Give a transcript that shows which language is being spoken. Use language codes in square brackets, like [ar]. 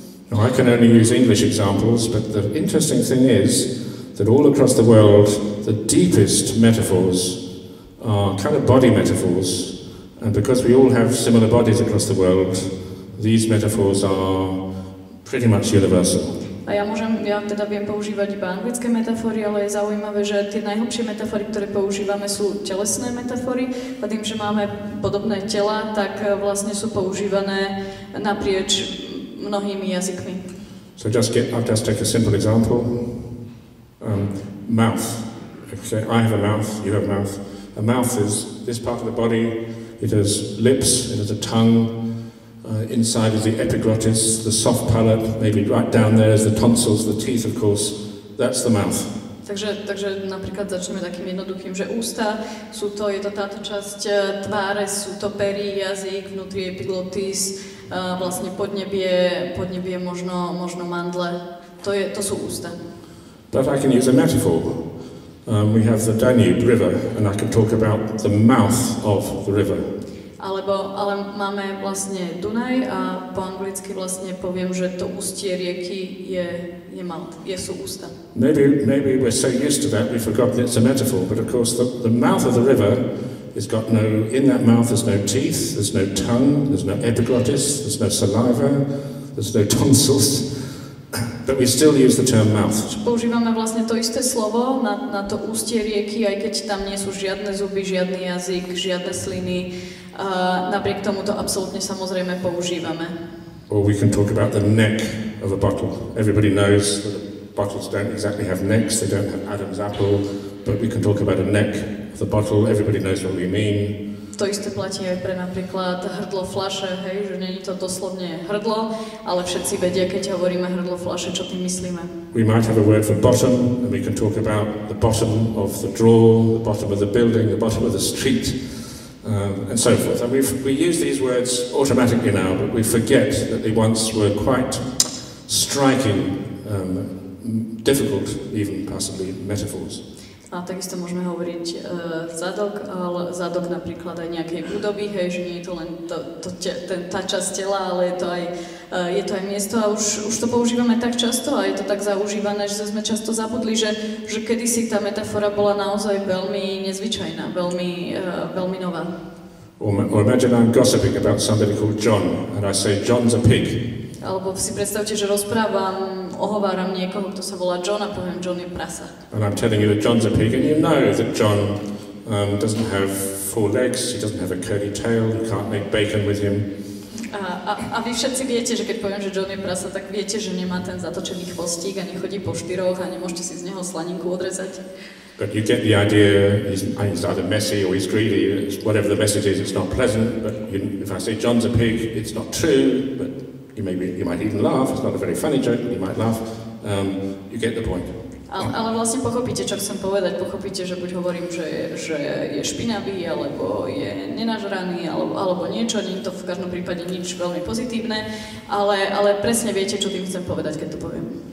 [en] No, I can only use English examples, but the interesting thing is that all across the world the deepest metaphors are kind of body metaphors, and because we all have similar bodies across the world, these metaphors are pretty much universal. [sk] A ja teda viem používať iba anglické metafory, ale je zaujímavé, že tie najhlbšie metafory, ktoré používame, sú telesné metafory. A tým, že máme podobné tela, tak vlastne sú používané naprieč mnohými jazykmi. [en] So I'll just take a simple example. Mouth. Okay. I have a mouth, you have a mouth. A mouth is this part of the body, it has lips, it has a tongue. Inside is the epiglottis, the soft palate, maybe right down there is the tonsils, the teeth, of course. That's the mouth. [sk] Takže napríklad začneme takým jednoduchým, že ústa sú to, je to táto časť tváre, sú to pery, jazyk, vnútri epiglottis, vlastne podnebie možno mandle. To sú ústa. [en] But I can use a metaphor. We have the Danube River, and I can talk about the mouth of the river. [sk] Ale máme vlastne Dunaj a po anglicky vlastne poviem, že to ústie rieky je mouth, je sú ústa. [en] Maybe we're so used to that we've forgotten it's a metaphor, but of course the mouth of the river has got no, in that mouth there's no teeth, there's no tongue, there's no epiglottis, there's no saliva, there's no tonsils. But we still use the term mouth. [sk] Používame vlastne to isté slovo na to ústie rieky, aj keď tam nie sú žiadne zuby, žiadny jazyk, žiadne sliny. Napriek tomu to absolútne samozrejme používame. [en] Or we can talk about the neck of a bottle. Everybody knows that bottles don't exactly have necks, they don't have Adam's apple, but we can talk about a neck of the bottle. Everybody knows what we mean. [sk] To isté platí aj pre napríklad hrdlo fľaše, hej, že není to doslovne hrdlo, ale všetci vedia, keď hovoríme hrdlo fľaše, čo tým myslíme. [en] We might have a word for bottom, and we can talk about the bottom of the drawer, the bottom of the building, the bottom of the street, and so forth. And we use these words automatically now, but we forget that they once were quite striking, difficult even possibly metaphors. [sk] A takisto môžeme hovoriť zadok, ale zadok napríklad aj nejakej budovy, hej, že nie je to len tá časť tela, ale je to aj miesto a už to používame tak často a je to tak zaužívané, že sme často zabudli, že kedysi tá metafora bola naozaj veľmi nezvyčajná, veľmi nová. [en] Or imagine I'm gossiping about somebody called John and I say John's a pig. [sk] Alebo si predstavte, že rozprávam, ohováram niekoho, kto sa volá John a poviem, John je prasa. [en] And I'm telling you that John's a pig and you know that John doesn't have four legs, he doesn't have a curly tail, you can't make bacon with him. [sk] A vy všetci viete, že keď poviem, že John je prasa, tak viete, že nemá ten zatočený chvostík, ani chodí po štyroch a nemôžete si z neho slaninku odrezať. [en] But you get the idea, he's either messy or he's greedy, it's whatever the message is, it's not pleasant, but if I say John's a pig, it's not true, but you might even laugh, it's not a very funny joke, but you might laugh, you get the point. [sk] Ale vlastne pochopíte, čo chcem povedať, pochopíte, že buď hovorím, že je špinavý, alebo je nenažraný, alebo niečo, nie je to v každom prípade nič veľmi pozitívne, ale presne viete, čo tým chcem povedať, keď to poviem.